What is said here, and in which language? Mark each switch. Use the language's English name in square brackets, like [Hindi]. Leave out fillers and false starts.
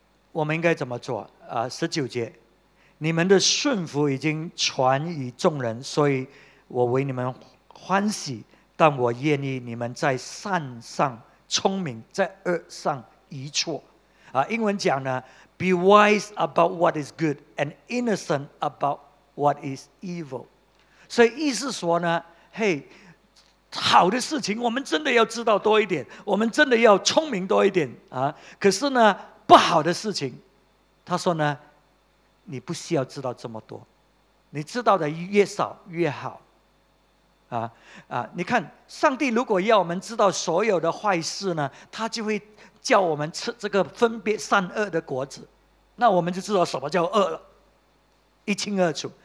[Chinese] 我们应该怎么做？十九节，你们的顺服已经传于众人，所以我为你们欢喜，但我愿意你们在善上聪明，在恶上愚拙。英文讲呢 [English] ，be wise about what is good and innocent about what is evil。 [Chinese] 所以意思说呢，嘿。好的事情，我们真的要知道多一点，我们真的要聪明多一点啊！可是呢，不好的事情，他说呢，你不需要知道这么多，你知道的越少越好，你看，上帝如果要我们知道所有的坏事呢，他就会叫我们吃这个分别善恶的果子，那我们就知道什么叫恶了，一清二楚。